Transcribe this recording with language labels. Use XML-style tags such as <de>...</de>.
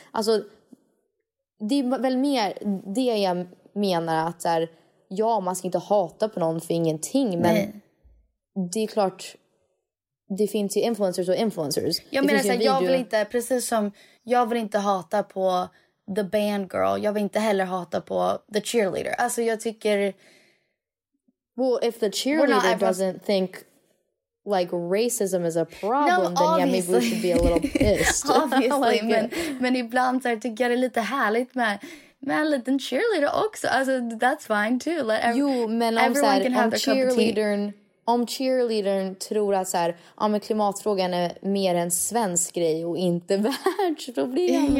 <sv>Alltså det är väl mer det jag menar, att så här, man ska inte hata på någon för ingenting, men det är klart, det finns ju influencers och influencers. Jag menar såhär, jag vill inte, precis som jag vill inte hata på</sv> <en>the band girl,</en> <sv>jag vill inte heller hata på</sv> <en>the cheerleader.</en> <sv>Alltså jag tycker...</sv> <en>Well, if the cheerleader doesn't think like racism is a problem, maybe we should be a little pissed. Obviously, like,</en> <sv>men ibland så tycker jag det är lite härligt med en liten cheerleader också. Alltså,</sv> <en>that's fine too.</en> <sv>Om cheerleadern tror att så här, klimatfrågan är mer en svensk grej och inte världsproblem.</sv>